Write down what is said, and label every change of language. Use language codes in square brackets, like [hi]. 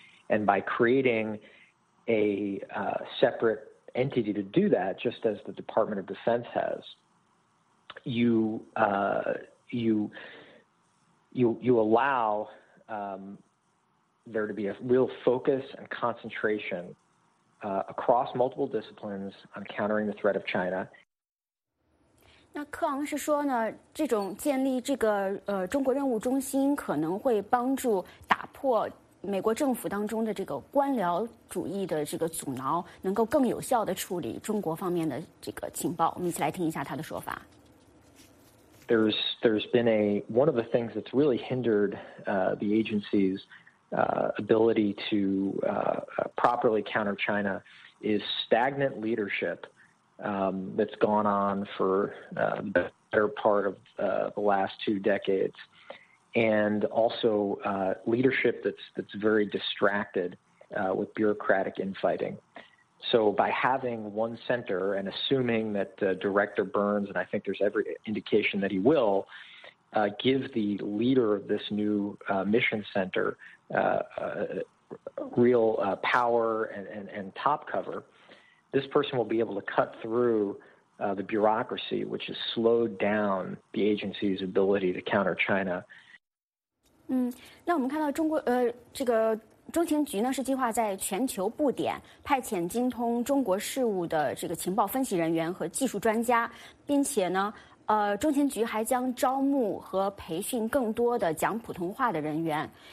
[en] And by creating... a separate entity to do that, just as the Department of Defense has, you allow there to be a real focus and concentration across multiple disciplines on countering the threat of China. [zh] 那克昂是说呢，这种建立这个中国任务中心可能会帮助打破美国政府当中的这个官僚主义的这个阻挠，能够更有效地处理中国方面的这个情报。我们一起来听一下他的说法。 [en] There's been one of the things that's really hindered the agency's ability to properly counter China is stagnant leadership. That's gone on for the better part of the last two decades, and also leadership that's very distracted with bureaucratic infighting. So by having one center and assuming that Director Burns, and I think there's every indication that he will, give the leader of this new mission center real power and top cover,This person will be able to cut through the bureaucracy, which has slowed down the agency's ability to counter China. [zh] 嗯，那我们看到中国这个中情局呢是计划在全球布点，派遣精通中国事务的这个情报分析人员和技术专家，并且呢，中情局还将招募和培训更多的讲普通话的人员。